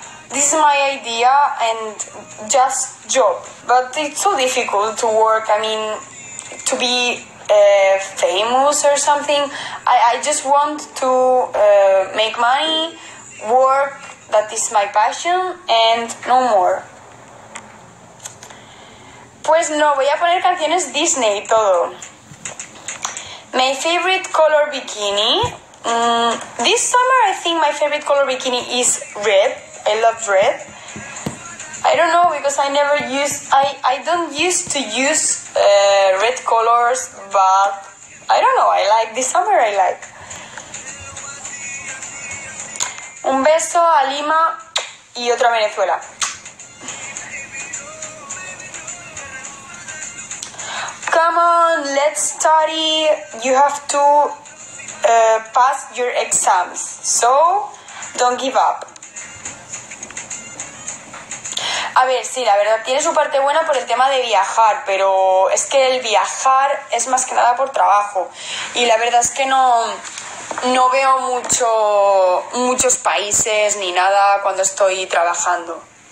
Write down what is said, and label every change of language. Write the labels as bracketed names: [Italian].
[English] This is my idea and just job, but it's so difficult to work. I mean, to be famous or something. I just want to make money, work, that is my passion, and no more. [Spanish] Pues no, voy a poner canciones Disney y todo. [English] My favorite color bikini. This summer I think my favorite color bikini is red. I love red. I don't know because I never use, I don't used to use red colors, but I don't know, I like this summer, I like. [Spanish] Un beso a Lima y otra Venezuela. [English] Come on, let's study. You have to pass your exams, so don't give up. [Spanish] A ver, sí, la verdad tiene su parte buena por el tema de viajar, pero es que el viajar es más que nada por trabajo. Y la verdad es que no veo muchos países ni nada cuando estoy trabajando.